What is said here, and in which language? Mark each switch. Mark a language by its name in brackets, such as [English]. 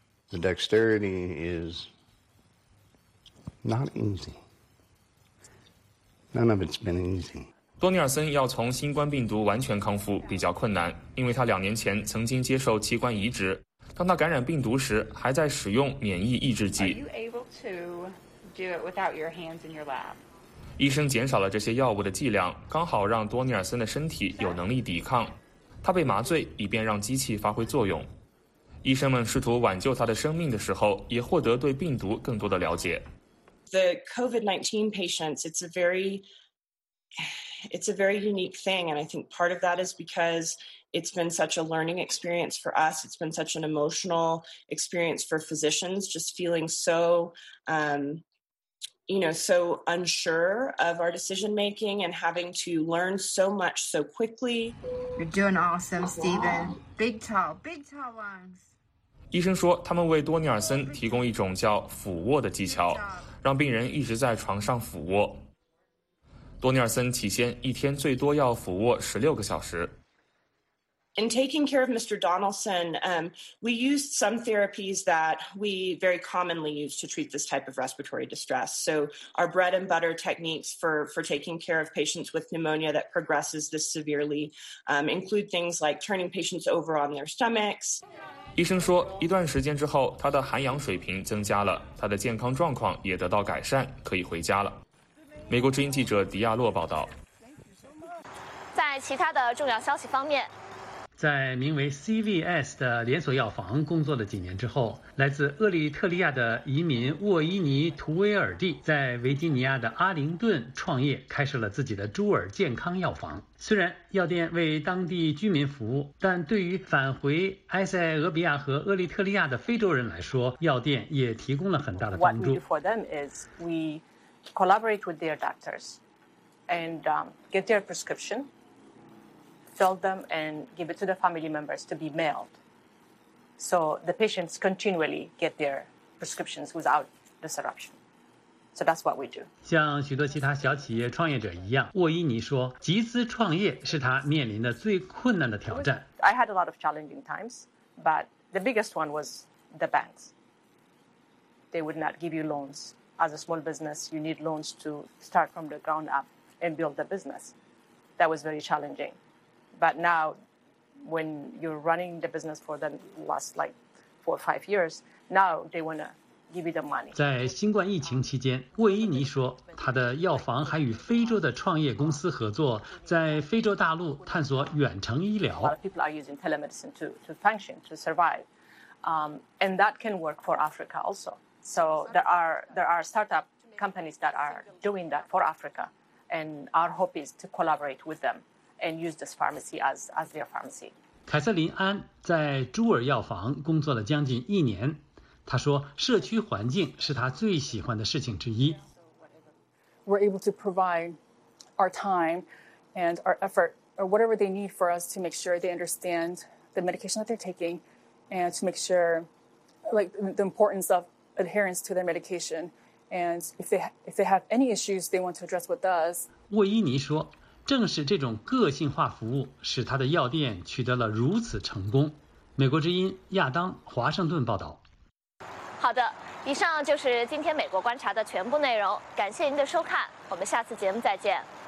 [English] The dexterity is not easy. None of it's been easy. [Chinese] 多尼尔森要从新冠病毒完全康复比较困难，因为他2年前曾经接受器官移植。当他感染病毒时，还在使用免疫抑制剂。 [English] Are you able to do it without your hands in your lab? [Chinese] 医生减少了这些药物的剂量，刚好让多尼尔森的身体有能力抵抗。他被麻醉，以便让机器发挥作用。医生们试图挽救他的生命的时候，也获得对病毒更多的了解。 [English] The COVID-19 patients, it's a very unique thing, and I think part of that is because. It's been such a learning experience for us. It's been such an emotional experience for physicians, just feeling so, so unsure of our decision making and having to learn so much so quickly. You're doing awesome, Stephen. Big tall lungs. [Chinese] 医生说，他们为多尼尔森提供一种叫俯卧的技巧，让病人一直在床上俯卧。多尼尔森起先一天最多要俯卧16个小时。 [English] In taking care of Mr. Donaldson, we used some therapies that we very commonly use to treat this type of respiratory distress. So our bread and butter techniques for taking care of patients with pneumonia that progresses this severely, include things like turning patients over on their stomachs. [Chinese] 医生说，一段时间之后，他的含氧水平增加了，他的健康状况也得到改善，可以回家了。美国之音记者迪亚洛报道。在其他的重要消息方面。在名为 CVS 的连锁药房工作了几年之后，来自厄立特利亚的移民沃伊尼·图维尔蒂在维吉尼亚的阿灵顿创业，开设了自己的朱尔健康药房。虽然药店为当地居民服务，但对于返回埃塞俄比亚和厄立特利亚的非洲人来说，药店也提供了很大的帮助。 [English] What we do for them is we collaborate with their doctors and get their prescription. Fill them and give it to the family members to be mailed. So the patients continually get their prescriptions without disruption. So that's what we do. [Chinese] 像许多其他小企业创业者一样，沃伊尼说，集资创业是他面临的最困难的挑战。 [English] I had a lot of challenging times, but the biggest one was the banks. They would not give you loans. As a small business, you need loans to start from the ground up and build the business. That was very challenging. But now, when you're running the business for the last like 4 or 5 years, now they want to give you the money. [Chinese] 在新冠疫情期间，魏依尼说，他的药房还与非洲的创业公司合作，在非洲大陆探索远程医疗。 [English] A lot of people are using telemedicine to function, to survive, and that can work for Africa also. So there are startup companies that are doing that for Africa, and our hope is to collaborate with them. And use this pharmacy as their pharmacy. [Chinese] 凯瑟琳·安在朱尔药房工作了将近一年，她说，社区环境是她最喜欢的事情之一。 [English] We're able to provide our time and our effort or whatever they need for us to make sure they understand the medication that they're taking and to make sure, like, the importance of adherence to their medication. And if they have any issues they want to address with us. [Chinese] 沃伊尼说。正是这种个性化服务使他的药店取得了如此成功。美国之音亚当华盛顿报道。好的，以上就是今天美国观察的全部内容，感谢您的收看，我们下次节目再见。